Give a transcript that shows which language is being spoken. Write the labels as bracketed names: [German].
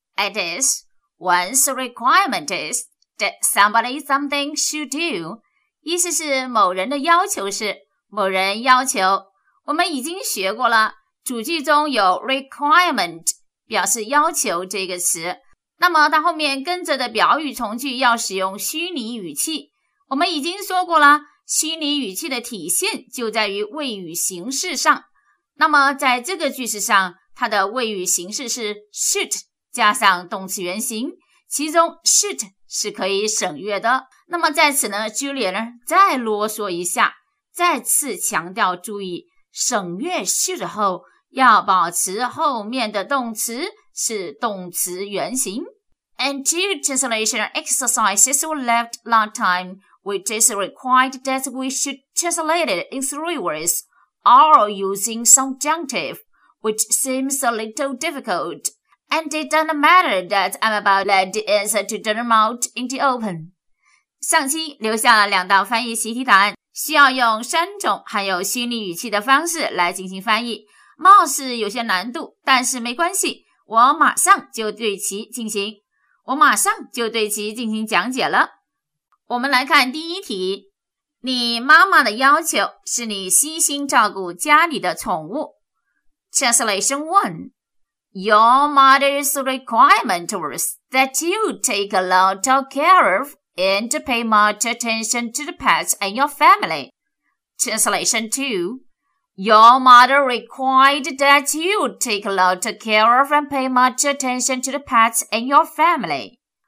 [English] It is, once a requirement is that somebody something should do. [Chinese] 意思是某人的要求是某人要求。我们已经学过了，主句中有 requirement 表示要求这个词。那么它后面跟着的表语从句要使用虚拟语气。我们已经说过了，虚拟语气的体现就在于谓语形式上。那么在这个句式上，它的谓语形式是 should 加上动词原形，其中 should 是可以省略的。那么在此呢， Julia 呢再啰嗦一下，再次强调注意，省略 should 后要保持后面的动词是动词原形。 [English] And two translation exercises were left last time, which is required that we should translate it in three words. Are using subjunctive, which seems a little difficult, and it doesn't matter that I'm about to let the answer to them out in the open. [Chinese] 上期留下了两道翻译习题答案，需要用三种含有虚拟语气的方式来进行翻译，貌似有些难度，但是没关系，我马上就对其进行讲解了。我们来看第一题。你妈妈的要求是你悉心照顾家里的宠物。 [English] Translation 1. Your mother's requirement was that you take a lot of care of and pay much attention to the pets and your family. Translation 2. Your mother required that you take a lot of care of and pay much attention to the pets and your family.